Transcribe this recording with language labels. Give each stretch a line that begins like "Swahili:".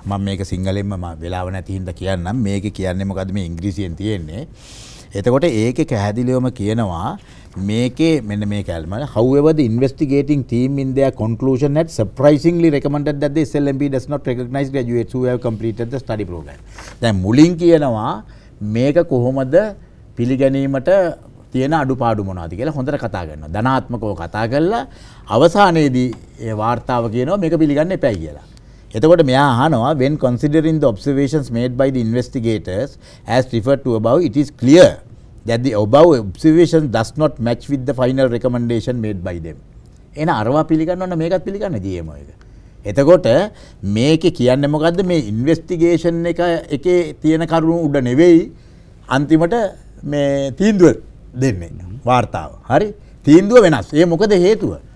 Sinhala: මම මේක සිංහලෙන්ම මම වෙලාව නැති හින්දා කියන්නම්. මේක කියන්නේ මොකද්ද මේ ඉංග්‍රීසියෙන් තියෙන්නේ. එතකොට ඒකේ පැහැදිලිවම කියනවා මේකේ මෙන්න මේ කැල්ම
English: however the investigating team in their conclusion had surprisingly recommended that the SLMB does not recognize graduates who have completed the study program.
Sinhala: දැන් මුලින් කියනවා මේක කොහොමද පිළිගැනීමට තියෙන අඩුපාඩු මොනවද කියලා හොඳට කතා කරනවා. ධනාත්මකව කතා කරලා අවසානයේදී ඒ වார்த்தාව කියනවා මේක පිළිගන්න එපා කියලා. එතකොට මෙයා අහනවා
English: when considering the observations made by the investigators as referred to above it is clear that the above observation does not match with the final recommendation made by them.
Sinhala: එන අරවා පිළිගන්නවන්න මේකත් පිළිගන්න ජීඑම් එක. එතකොට මේකේ කියන්නේ මොකද්ද මේ ඉන්වෙස්ටිගේෂන් එකේ තියෙන කරුණු උඩ නෙවෙයි අන්තිමට මේ තීන්දුව දෙන්නේ වාර්තාව. හරි? තීන්දුව වෙනස්. ඒ මොකද හේතුව?